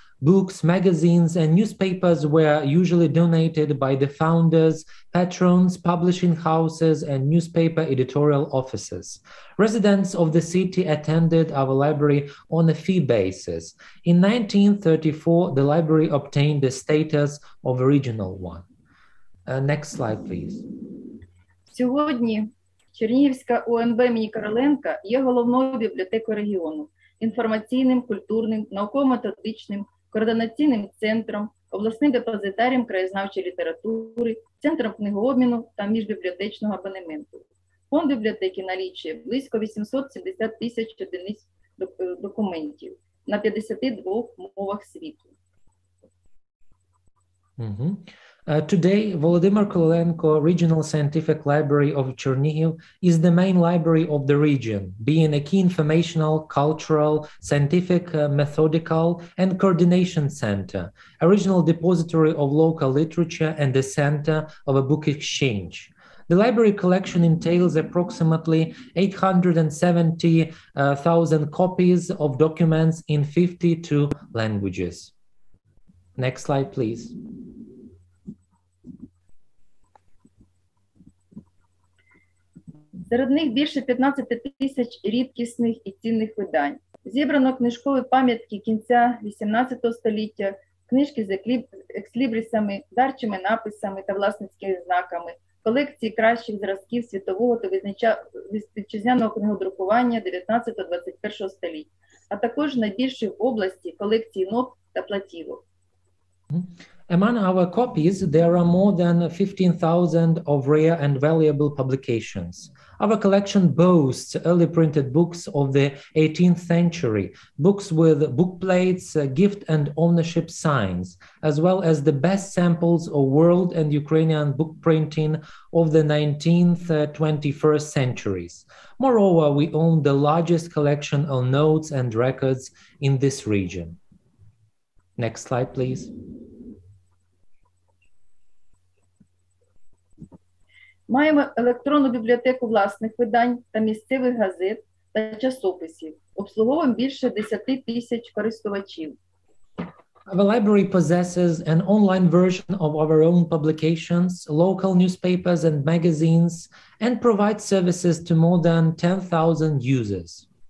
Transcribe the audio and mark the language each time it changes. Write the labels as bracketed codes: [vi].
[en] Books, magazines, and newspapers were usually donated by the founders, patrons, publishing houses, and newspaper editorial offices. Residents of the city attended our library on a fee basis. In 1934, the library obtained the status of a regional one. Next slide, please. [uk] Сьогодні Чернігівська ОНБ імені Короленка є головною бібліотекою регіону, інформаційним, культурним, науково-методичним, координаційним центром, обласним депозитарієм краєзнавчої літератури, центром книгообміну та міжбібліотечного абонементу. Фонд бібліотеки налічує близько 870 тисяч одиниць документів на 52 мовах світу. [en] Today, Volodymyr Korolenko Regional Scientific Library of Chernihiv is the main library of the region, being a key informational, cultural, scientific, methodical, and coordination center, a regional depository of local literature, and the center of a book exchange. The library collection entails approximately 870,000 copies of documents in 52 languages. Next slide, please. [uk] Серед них більше 15 тисяч рідкісних і цінних видань. Зібрано книжкові пам'ятки кінця 18 століття, книжки з екслібрісами, дарчими написами та власницькими знаками, колекції кращих зразків світового та вітчизняного книгодрукування 19-21 століття, а також найбільші в області колекції ноб та платівок. [en] Among our copies, there are more than 15,000 of rare and valuable publications. Our collection boasts early printed books of the 18th century, books with book plates, gift and ownership signs, as well as the best samples of world and Ukrainian book printing of the 19th, 21st centuries. Moreover, we own the largest collection of notes and records in this region. Next slide, please. [uk] Маємо електронну бібліотеку власних видань та місцевих газет та часописів. Обслуговуємо більше 10 тисяч користувачів. [en] The library possesses an online version of our own publications, local newspapers and magazines, and provides services to more than 10,000 users.